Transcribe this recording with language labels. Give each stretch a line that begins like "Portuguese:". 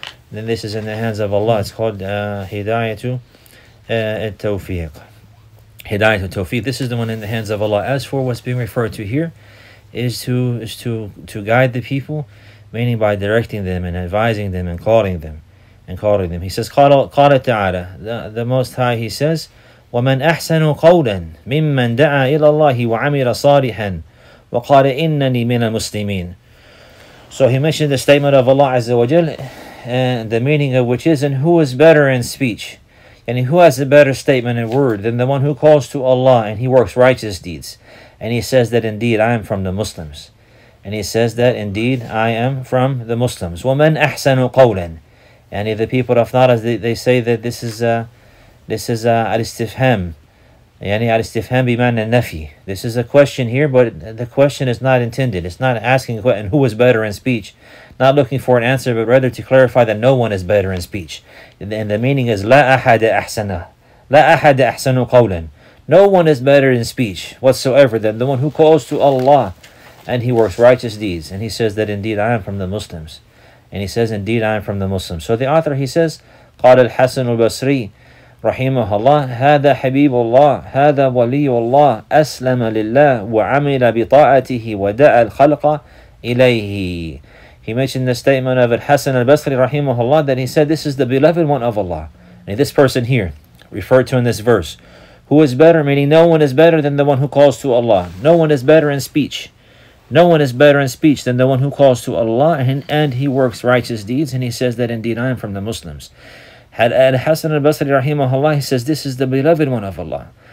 English: It's called Hidayatu Tawfiq. This is the one in the hands of Allah. As for what's being referred to here, is to guide the people, meaning by directing them and advising them and calling them. He says,
Arabic: قَالَ تَعَالَى,
English: the Most High, he says,
Arabic: وَمَنْ أَحْسَنُ قَوْلًا مِمَّنْ دَعَى إِلَى اللَّهِ وَعَمِلَ صَالِحًا وَقَالَ إِنَّنِي مِنَ الْمُسْلِمِينَ.
English: So he mentioned the statement of Allah Azza wa Jal, the meaning of which is, and who is better in speech? And who has a better statement and word than the one who calls to Allah and he works righteous deeds? And he says that indeed I am from the Muslims. And he says that indeed I am from the Muslims.
Arabic: وَمَنْ أَحْسَنُ قَوْلًا.
English: And the people of Nara, they say that this is al-istifham.
Arabic: يعني al-istifham بِمَعْنَ النَّفِي.
English: This is a question here, but the question is not intended. It's not asking and who is better in speech. Not looking for an answer, but rather to clarify that no one is better in speech. And the meaning is
Arabic: لَا أَحَدَ أَحْسَنَ. لَا أَحَدَ أَحْسَنُ قَوْلًا.
English: No one is better in speech whatsoever than the one who calls to Allah and he works righteous deeds. And he says that indeed I am from the Muslims. So the author, he says,
Arabic: قال الحسن البصري رحمه الله هذا حبيب الله هذا ولي الله أسلم لله وعمل بطاعته ودعا الخلق إليه.
English: He mentioned the statement of الحسن البصري رحمه الله, that he said, this is the beloved one of Allah. And this person here, referred to in this verse, who is better, meaning no one is better than the one who calls to Allah. No one is better in speech. No one is better in speech than the one who calls to Allah and he works righteous deeds, and he says that indeed I am from the Muslims. Had al-Hasan al-Basri rahimahullah, he says this is the beloved one of Allah.